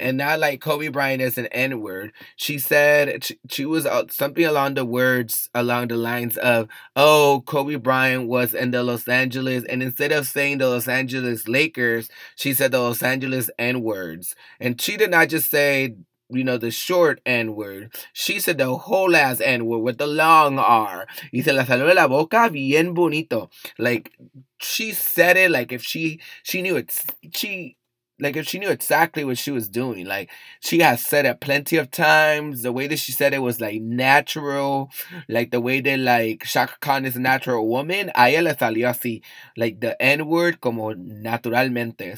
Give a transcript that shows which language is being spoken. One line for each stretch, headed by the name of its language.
English: And not like Kobe Bryant is an N-word. She said she was something along the lines of, oh, Kobe Bryant was in the Los Angeles. And instead of saying the Los Angeles Lakers, she said the Los Angeles N-words. And she did not just say, you know, the short N-word. She said the whole ass N-word with the long R.
Spanish: Y se la salió de la boca bien bonito.
English: Like, she said it like if she knew it. Like, if she knew exactly what she was doing. Like, she has said it plenty of times. The way that she said it was, like, natural. Like, the way that, like, Shaka Khan is a natural woman.
Spanish: A ella le salió así.
English: Like, the N-word
Spanish: como naturalmente.